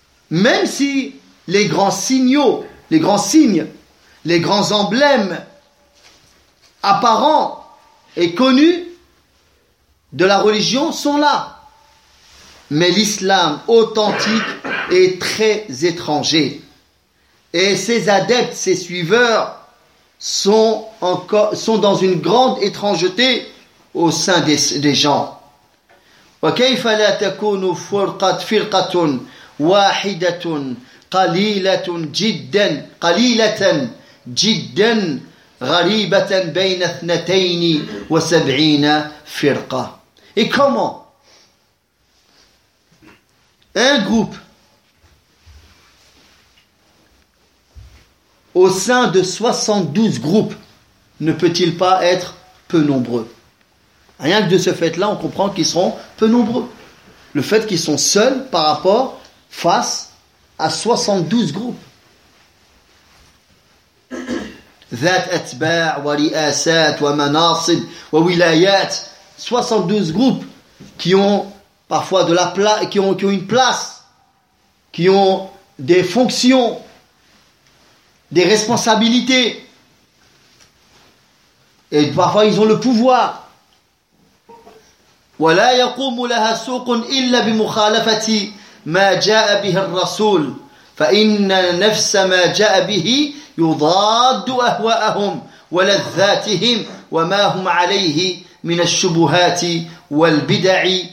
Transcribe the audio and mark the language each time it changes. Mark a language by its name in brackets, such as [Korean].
[French] Même si les grands signaux, les grands signes, les grands emblèmes apparents et connus de la religion sont là. Mais l'islam authentique est très étranger. Et ses adeptes, ses suiveurs sont dans une grande étrangeté au sein des gens. [Arabic] وكيف لا تكون فرقة واحدة قليلة جدا قليلة جدا غريبة بين اثنتين وسبعين فرقة. [French] Et comment un groupe au sein de 72 groupes ne peut-il pas être peu nombreux? Rien que de ce fait-là, on comprend qu'ils seront peu nombreux. Le fait qu'ils sont seuls par rapport face à 72 groupes. [Arabic] ذات أتباع ورئاسات ومناصب وولايات [French] 72 groupes qui ont parfois de la place, qui ont une place, qui ont des fonctions, des responsabilités, et parfois ils ont le pouvoir. [Arabic] ولا يقوم لها سوق إلا بمخالفة ما جاء به الرسول فإن نفس ما جاء به يضاد أهواءهم ولذاتهم وما هم عليه من الشبهات والبدع